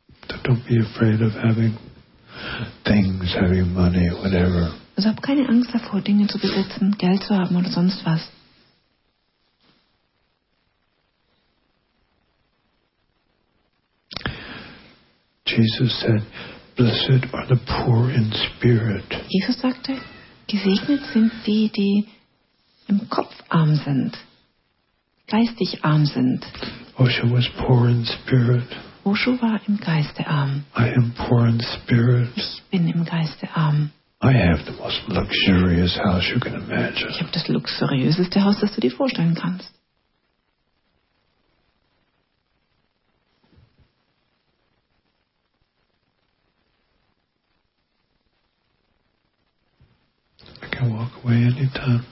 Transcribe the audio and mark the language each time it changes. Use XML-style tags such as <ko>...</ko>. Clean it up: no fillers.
<en>So don't be afraid of having things, having money, whatever.</en> <de>Also hab keine Angst davor, Dinge zu besitzen, Geld zu haben oder sonst was.</de> <en>Jesus said, "Blessed are the poor in spirit."</en> <de>Jesus sagte, gesegnet sind die, die im Kopf arm sind, geistig arm sind.</de> <en>Osho was poor in spirit.</en> <de>Osho war im Geiste arm.</de> <en>I am poor in spirit.</en> <de>Ich bin im Geiste arm.</de> <en>I have the most luxurious house you can imagine.</en> <de>Ich habe das luxuriöseste Haus, das du dir vorstellen kannst.</de> <en>I can walk away anytime.</en>